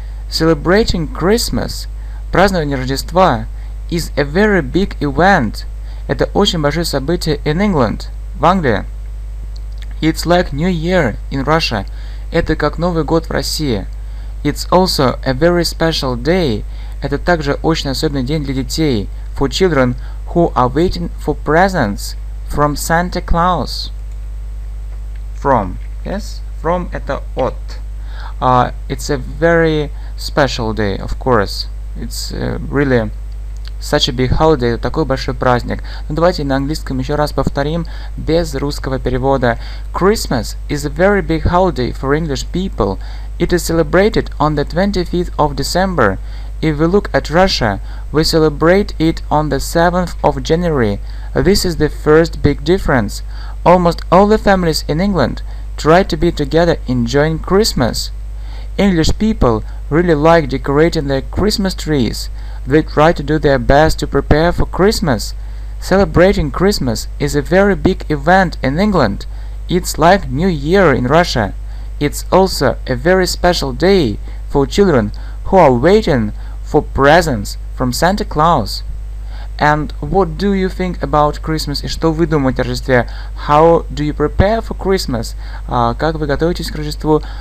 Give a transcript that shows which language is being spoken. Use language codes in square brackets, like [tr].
[en] Celebrating Christmas, [ru] празднование Рождества, [en] is a very big event. [ru] Это очень большое событие [en] in England, [ru] в Англии. [en] It's like New Year in Russia. [ru] Это как Новый год в России. [en] It's also a very special day. [ru] Это также очень особенный день для детей. [en] For children who are waiting for presents from Santa Claus. From. Yes? From [ru] это от. [en] It's a very special day, of course. It's really such a big holiday, [ru] это такой большой праздник. Ну, давайте на английском еще раз повторим без русского перевода. [en] Christmas is a very big holiday for English people. It is celebrated on the 25th of December. If we look at Russia, we celebrate it on the 7th of January. This is the first big difference. Almost all the families in England try to be together enjoying Christmas. English people really like decorating their Christmas trees. They try to do their best to prepare for Christmas. Celebrating Christmas is a very big event in England. It's like New Year in Russia. It's also a very special day for children who are waiting for presents from Santa Claus. And what do you think about Christmas? [ru] И что вы думаете о Рождестве? [en] How do you prepare for Christmas? [ru] Как вы готовитесь к Рождеству?